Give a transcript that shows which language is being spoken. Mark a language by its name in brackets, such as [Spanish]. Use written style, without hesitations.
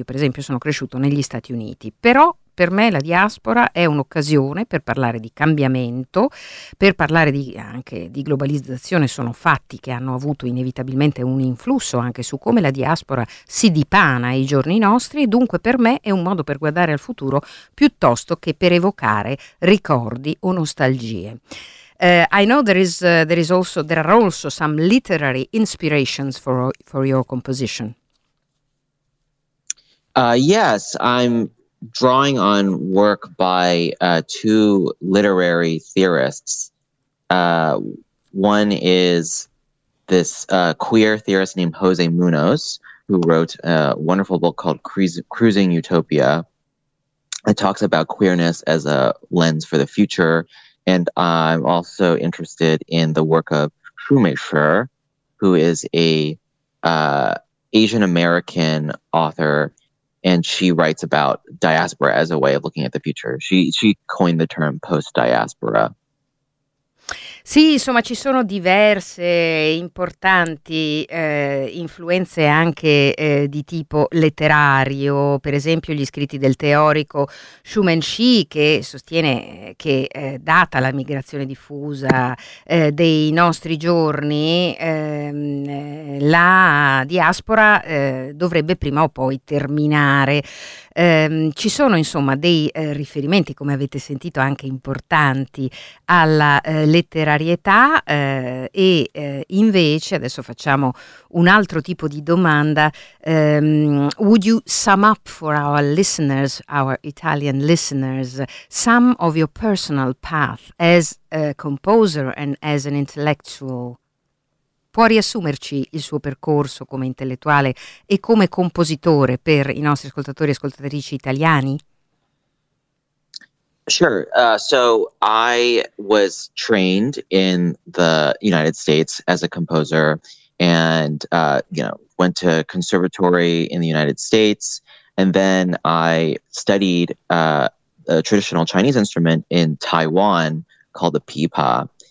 [Italian] Io, per esempio, sono cresciuto negli Stati Uniti, però per me la diaspora è un'occasione per parlare di cambiamento, per parlare anche di globalizzazione. Sono fatti che hanno avuto inevitabilmente un influsso anche su come la diaspora si dipana ai giorni nostri, e dunque per me è un modo per guardare al futuro piuttosto che per evocare ricordi o nostalgie. [English] I know there are also some literary inspirations for your composition. Yes, I'm drawing on work by two literary theorists. One is this queer theorist named Jose Munoz, who wrote a wonderful book called Cruising Utopia. It talks about queerness as a lens for the future. And I'm also interested in the work of Shumei Shi, who is a Asian-American author. And she writes about diaspora as a way of looking at the future. She coined the term post-diaspora. [Italian] Sì, insomma, ci sono diverse importanti influenze anche di tipo letterario, per esempio gli scritti del teorico Shumei Shi, che sostiene che data la migrazione diffusa dei nostri giorni, la diaspora dovrebbe prima o poi terminare. Ci sono insomma dei riferimenti, come avete sentito, anche importanti alla letterarietà e invece adesso facciamo un altro tipo di domanda. [English] Would you sum up for our listeners, our Italian listeners, some of your personal path as a composer and as an intellectual? [Italian] Può riassumerci il suo percorso come intellettuale e come compositore per i nostri ascoltatori e ascoltatrici italiani? [English] Sure. So I was trained in the United States as a composer and, you know, went to conservatory in the United States. And then I studied a traditional Chinese instrument in Taiwan called the pipa.